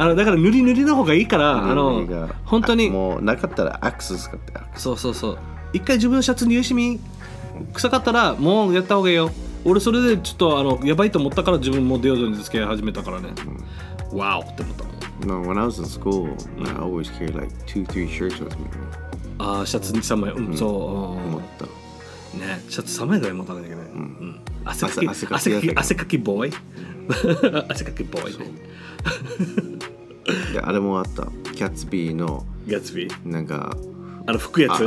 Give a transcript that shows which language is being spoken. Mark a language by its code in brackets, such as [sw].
[ja] あのだから塗り塗りの方がいいから、あの本当にもうなかったらアクス使って。そうそうそう。一回自分のシャツに塗りしみ臭かったらもうやった方がいいよ。俺それでちょっとあのやばいと思ったから自分もディオドレントつけ始めたからね。わ、う、お、ん、って思ったもん。 [en] No, when I was in school, I always carry like 2-3 shirts with me. [ja] ああ、シャツ2-3枚、うん、うん、そう。思った。ね、シャツ3枚ぐらい持たないといけない。うん。汗かき、汗かき、汗かきボーイ。汗かきボーイ。そう。で、あれもあった。ギャツビーの。ギャツビー。なんか、あの、拭くやつ。